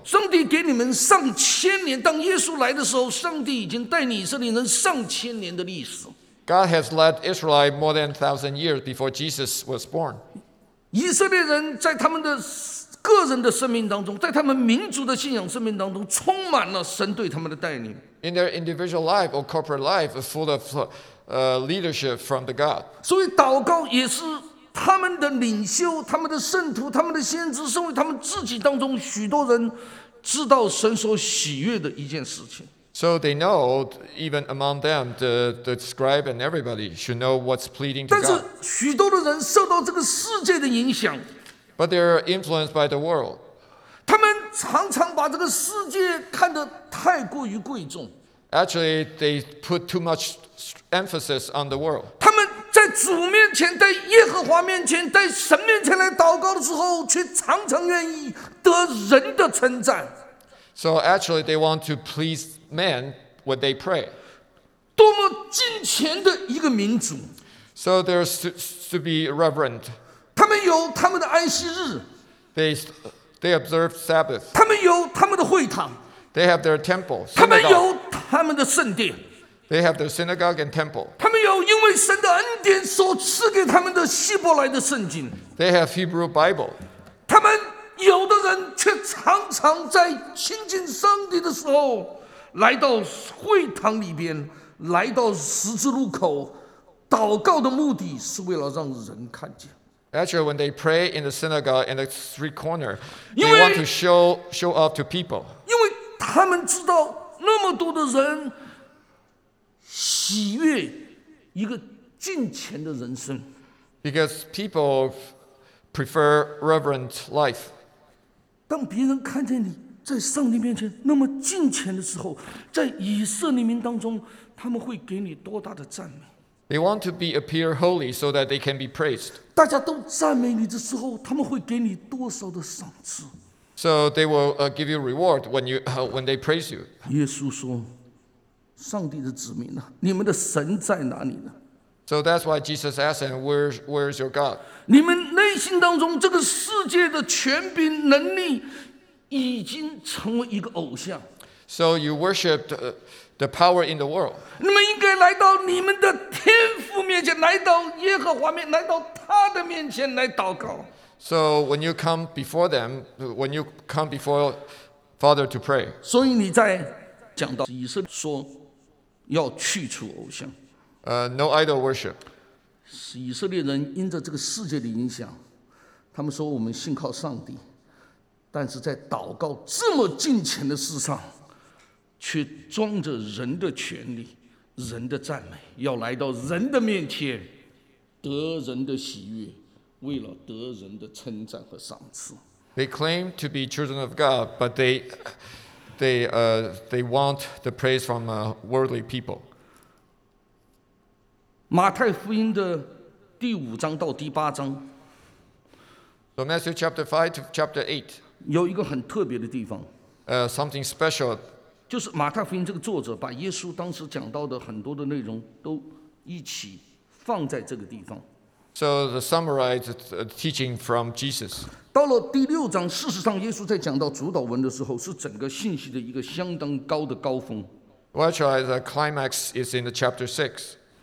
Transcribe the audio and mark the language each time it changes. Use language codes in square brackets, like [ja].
[zh] 上帝给你们上千年，当耶稣来的时候，上帝已经带领以色列人上千年的历史。 [en] God has led Israelites more than 1,000 years before Jesus was born. [zh] 以色列人在他们的个人的生命当中，在他们民族的信仰生命当中，充满了神对他们的带领。 [en] In their individual life or corporate life, full of leadership from the God. [zh] 所以祷告也是。他们的领袖、他们的圣徒、他们的先知，是为他们自己当中许多人知道神所喜悦的一件事情。 [en] So they know, even among them, the scribe and everybody should know what's pleading to God. [zh] 但是许多的人受到这个世界的影响。 [en] But they're influenced by the world. [zh] 他们常常把这个世界看得太过于贵重。 [en] Actually, they put too much emphasis on the world. [zh] 他们在主面前，在耶和华面前，在神面前来祷告的时候，却常常愿意得人的称赞。 [en] So actually, they want to please men when they pray. [zh] 多么敬虔的一个民族。 [en] So they're to be reverent. [zh] 他们有他们的安息日。 [en] They observe Sabbath. [zh] 他们有他们的会堂。 [en] They have their temple. [zh] 他们有他们的圣殿。 [en] They have their synagogue and temple. [zh] 他们有因为神的恩典所赐给他们的希伯来的圣经。 [en] They have Hebrew Bible. [zh] 他们有的人却常常在亲近上帝的时候，来到会堂里边，来到十字路口，祷告的目的是为了让人看见。 [en] Actually, when they pray in the synagogue in the street corner, they want to show off to people. [zh] 因为他们知道那么多的人。喜悦一个敬虔的人生。 [en] Because people prefer reverent life. [zh] 当别人看见你在上帝面前那么敬虔的时候，在以色列民当中，他们会给你多大的赞美？ [en] They want to be appear holy so that they can be praised. [zh] 大家都赞美你的时候，他们会给你多少的赏赐？ [en] So they will give you reward when they praise you. [zh] 耶稣说，上帝的子民啊，你们的神在哪里呢？ [en] So that's why Jesus asked him, where is your God? [zh] 你们内心当中这个世界的权柄能力已经成为一个偶像。 [en] So you worshiped the power in the world. [zh] 你们应该来到你们的天父面前，来到耶和华面，来到他的面前来祷告。 [en] So when you come before them, when you come before Father to pray. [zh] 所以你在讲到以色列说要去除偶像。 [en] No idol worship. [zh] 以色列人因着这个世界的影响，他们说我们信靠上帝。但是在祷告这么敬虔的事上，却装着人的权利、人的赞美，要来到人的面前，得人的喜悦，为了得人的称赞和赏赐。 [en] They claim to be children of God, but they want the praise from worldly people. [zh] 马太福音的第五章到第八章。 [en] So Matthew chapter 5 to chapter 8. [zh] 有一个很特别的地方 [en] something special. [zh] 就是马太福音这个作者把耶稣当时讲到的很多的内容都一起放在这个地方。 [en] So the summarized teaching from Jesus. [zh] 到了第六章，事实上耶稣在讲到主导文的时候，是整个信息的一个相当高的高峰。 [en] Well, actually, the climax is in the chapter 6.